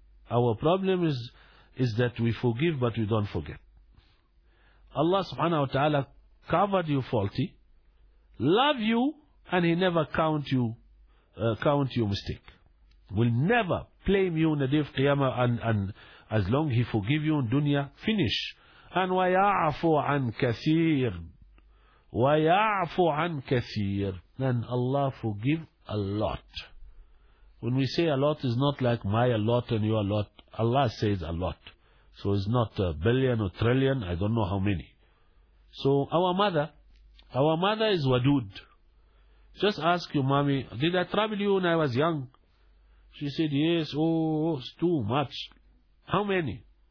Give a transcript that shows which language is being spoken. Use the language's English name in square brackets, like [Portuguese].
[English] Our problem is that we forgive but we don't forget. Allah subhanahu wa ta'ala covered you faulty, love you, and he never count your mistake. Will never blame you in the day of Qiyamah, and as long he forgive you in dunya, finish. [Arabic] And وَيَعْفُ عَنْ كَثِيرٍ وَيَعْفُ عَنْ كَثِيرٍ. [English] And Allah forgive a lot. When we say a lot, is not like my a lot and your a lot. Allah says a lot. So it's not a billion or trillion, I don't know how many. So our mother is wadud. Just ask your mommy, did I trouble you when I was young? She said, yes, oh, it's too much. How many?